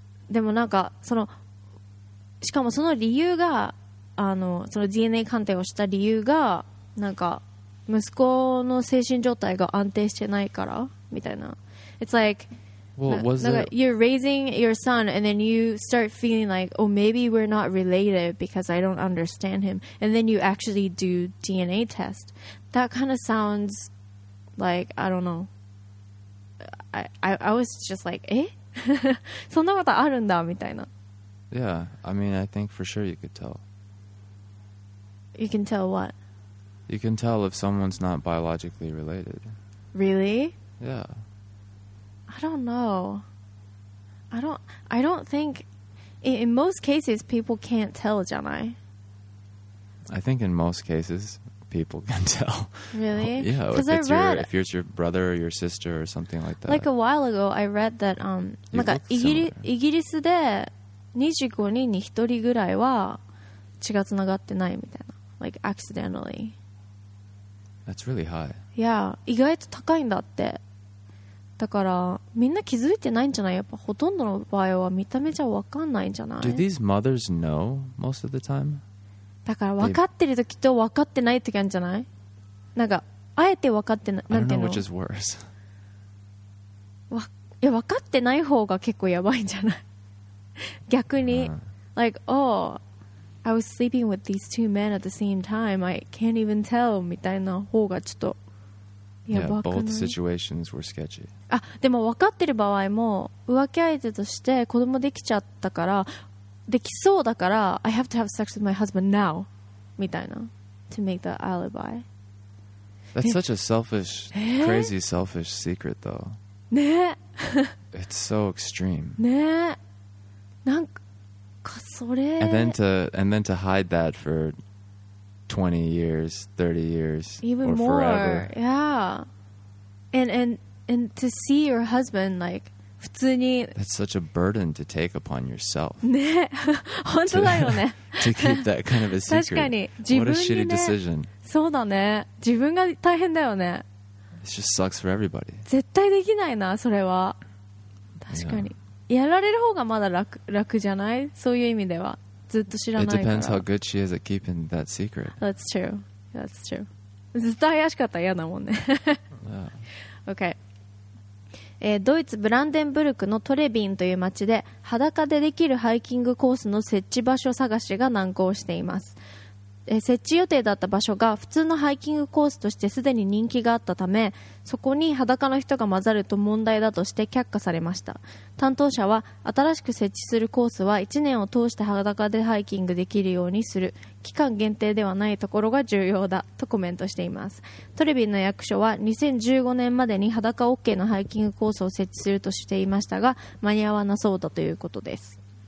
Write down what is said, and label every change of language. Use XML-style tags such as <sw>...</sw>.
<ja>でもなんかその、しかもその理由が、あの、その DNA 鑑定をした理由が、なんか息子の精神状態が安定してないから、みたいな。</ja> <en>It's like, Well, was like You're raising your son and then you start feeling like, oh, maybe we're not related because I don't understand him. And then you actually do DNA test. That kind of sounds like, I don't know. I was just like, eh?</en> <ja>そんなことあるんだみたいな。</ja> <en>Yeah, I mean, I think for sure you could tell. You can tell what? You can tell if someone's not biologically related. Really? Yeah. I don't know. I don't think in most cases people can't tell, janai. I think in most cases people can tell. Really? Well, yeah, if it's your brother or your sister or something like that. Like a while ago I read that</en> <ja>なんかイギリスで25人に1人ぐらいは血がつながってないみたいな。</ja> <en>Like accidentally. That's really high.</en> <ja>Yeah, 意外と高いんだって。だからみんな気づいてないんじゃない？やっぱほとんどの場合は見た目じゃ分かんないんじゃない？</ja> <en>Do these mothers know most of the time?</en> <ja>だから分かってる時と分かってない時なんじゃない？なんかあえて分かってない、なんていうの？</ja> <en>I don't know which is worse.</en> <ja>いや分かってない方が結構やばいんじゃない？逆に、like, oh,</ja> <en>I was sleeping with these two men at the same time. I can't even tell.</en> <ja>みたいな方がちょっとやばくない?</ja> <en>Both situations were sketchy.</en> <ja>あ、でも分かってる場合も浮気相手として子供できちゃったからできそうだから</ja> <en>I have to have sex with my husband now. みたいな to make the alibi. That's such a selfish, crazy selfish secret though.</en> <ja>ね</ja> <en>It's so extreme.</en> <ja>ねなんかそれ</ja> <en>and then to hide that for 20 years, 30 years, even or more, forever. Yeah. And to see your husband like 普通に That's such a burden to take upon yourself.</en> <ja>ね、本当だよね。</ja> <en>to keep that kind of a secret.</en> <ja>確かに、自分にね、</ja> <en>What a shitty decision.</en> <ja>そうだね。自分が大変だよね。</ja> <en>It just sucks for everybody.</en> <ja>絶対できないな、それは。確かに。Yeah. やられる方がまだ 楽じゃない?そういう意味ではずっと知らないから</ja> <en>It depends how good she is at keeping that secret. That's true. That's true.</en> <ja>ずっと怪しかったら嫌だもんね。</ja> <en>yeah. Okay.</en> <ja>ドイツブランデンブルクのトレビンという町で裸でできるハイキングコースの設置場所探しが難航しています。設置予定だった場所が普通のハイキングコースとしてすでに人気があったためそこに裸の人が混ざると問題だとして却下されました担当者は新しく設置するコースは1年を通して裸でハイキングできるようにする期間限定ではないところが重要だとコメントしていますトレビンの役所は2015年までに裸 OK のハイキングコースを設置するとしていましたが間に合わなそうだということです</ja>